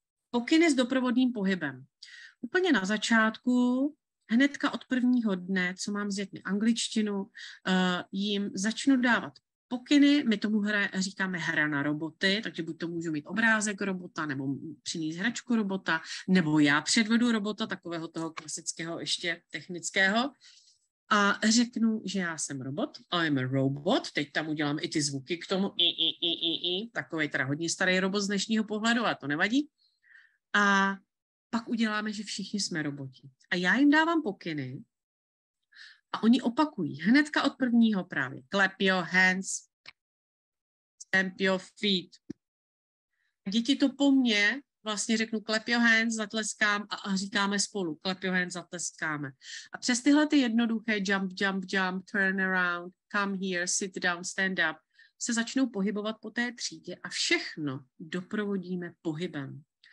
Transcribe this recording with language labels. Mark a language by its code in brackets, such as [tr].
[cs] Pokyny s doprovodným pohybem. Úplně na začátku, hnedka od prvního dne, co mám s dětmi angličtinu, jim začnu dávat pokyny, my tomu říkáme hra na roboty, takže buď to můžu mít obrázek robota, nebo přinést hračku robota, nebo já předvedu robota, takového toho klasického, ještě technického, a řeknu, že já jsem robot, [en] I'm a robot, [cs] teď tam udělám i ty zvuky k tomu, takovej teda hodně starý robot z dnešního pohledu, a to nevadí. A pak uděláme, že všichni jsme roboti. A já jim dávám pokyny a oni opakují hnedka od prvního právě. [en] Clap your hands, stamp your feet. [cs] Děti to po mně vlastně řeknu [en] clap your hands, [cs] zatleskám a říkáme spolu clap your hands, zatleskáme. A přes tyhle ty jednoduché [en] jump, jump, jump, turn around, come here, sit down, stand up, [cs] se začnou pohybovat po té třídě a všechno doprovodíme pohybem.